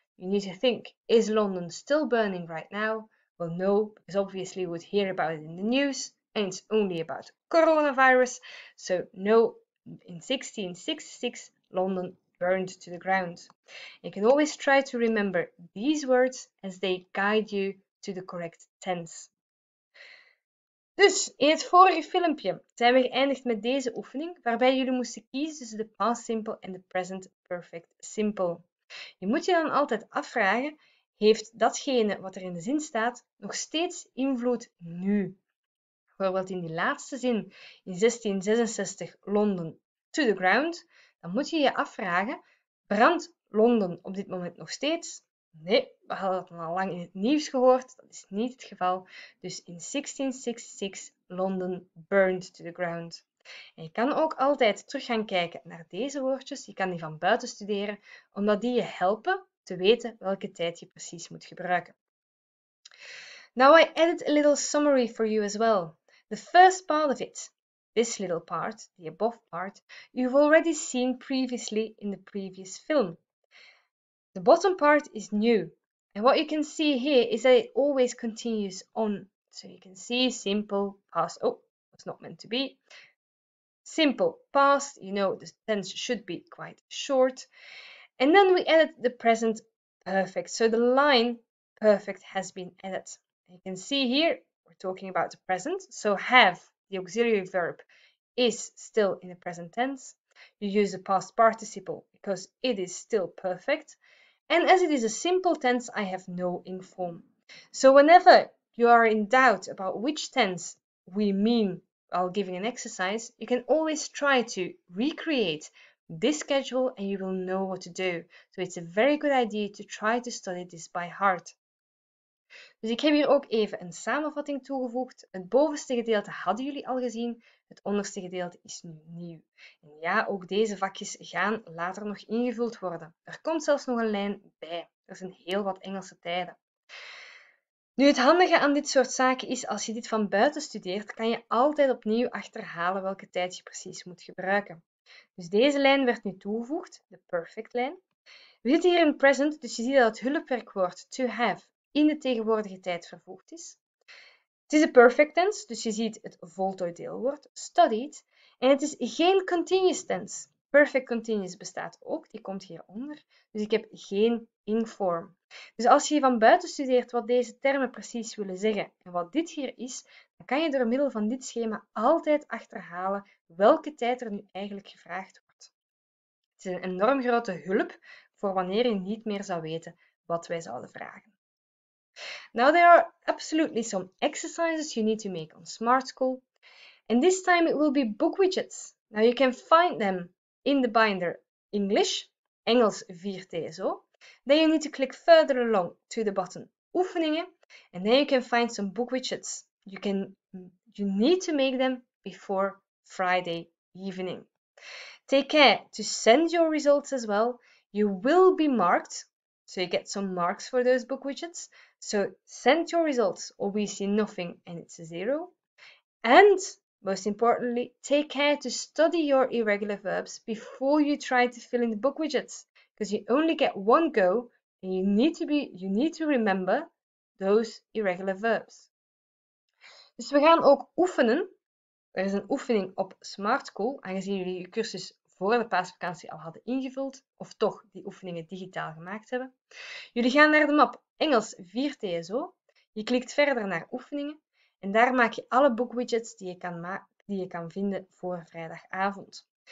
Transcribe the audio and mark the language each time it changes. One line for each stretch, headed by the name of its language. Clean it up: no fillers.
English: You need to think, is London still burning right now? Well, no, because obviously we would hear about it in the news, and it's only about coronavirus. So no, in 1666, London burned to the ground. You can always try to remember these words as they guide you to the correct tense.
Dutch: Dus, in het vorige filmpje zijn we geëindigd met deze oefening waarbij jullie moesten kiezen tussen de past simple en de present perfect simple. Je moet je dan altijd afvragen, heeft datgene wat er in de zin staat nog steeds invloed nu? Bijvoorbeeld in die laatste zin, in 1666
English: London to the ground,
Dutch: dan moet je je afvragen, brandt Londen op dit moment nog steeds? Nee, we hadden dat al lang in het nieuws gehoord. Dat is niet het geval. Dus
English: in 1666, London burned to the ground.
Dutch: En je kan ook altijd terug gaan kijken naar deze woordjes. Je kan die van buiten studeren, omdat die je helpen te weten welke tijd je precies moet gebruiken.
English: Now I added a little summary for you as well. The first part of it, this little part, the above part, you've already seen previously in the previous film. The bottom part is new, and what you can see here is that it always continues on. So you can see simple, past, oh, it's not meant to be. Simple, past, you know, the tense should be quite short. And then we added the present perfect, so the line perfect has been added. You can see here, we're talking about the present, so have, the auxiliary verb, is still in the present tense. You use the past participle because it is still perfect. And as it is a simple tense, I have no inform. So whenever you are in doubt about which tense we mean while giving an exercise, you can always try to recreate this schedule and you will know what to do. So it's a very good idea to try to study this by heart.
Dutch: Dus ik heb hier ook even een samenvatting toegevoegd. Het bovenste gedeelte hadden jullie al gezien. Het onderste gedeelte is nu nieuw. En ja, ook deze vakjes gaan later nog ingevuld worden. Er komt zelfs nog een lijn bij. Er zijn heel wat Engelse tijden. Nu, het handige aan dit soort zaken is, als je dit van buiten studeert, kan je altijd opnieuw achterhalen welke tijd je precies moet gebruiken. Dus deze lijn werd nu toegevoegd, de perfect lijn. We zitten hier in present, dus je ziet dat het hulpwerkwoord to have in de tegenwoordige tijd vervoegd is. Het is een perfect tense, dus je ziet het voltooid deelwoord, studied. En het is geen continuous tense. Perfect continuous bestaat ook, die komt hieronder. Dus ik heb geen inform. Dus als je van buiten studeert wat deze termen precies willen zeggen en wat dit hier is, dan kan je door middel van dit schema altijd achterhalen welke tijd er nu eigenlijk gevraagd wordt. Het is een enorm grote hulp voor wanneer je niet meer zou weten wat wij zouden vragen.
English: Now there are absolutely some exercises you need to make on Smart School, and this time it will be book widgets. Now you can find them in the binder English, Engels 4 TSO. Then you need to click further along to the button Oefeningen, and then you can find some book widgets. You need to make them before Friday evening. Take care to send your results as well. You will be marked, so you get some marks for those book widgets. So send your results or we see nothing and it's a zero. And most importantly, take care to study your irregular verbs before you try to fill in the book widgets, because you only get one go and you need to remember those irregular verbs.
Dutch: Dus we gaan ook oefenen. Er is een oefening op Smart School, aangezien jullie je cursus voor de paasvakantie al hadden ingevuld, of toch die oefeningen digitaal gemaakt hebben. Jullie gaan naar de map Engels 4 TSO. Je klikt verder naar oefeningen en daar maak je alle boekwidgets die je kan vinden voor vrijdagavond.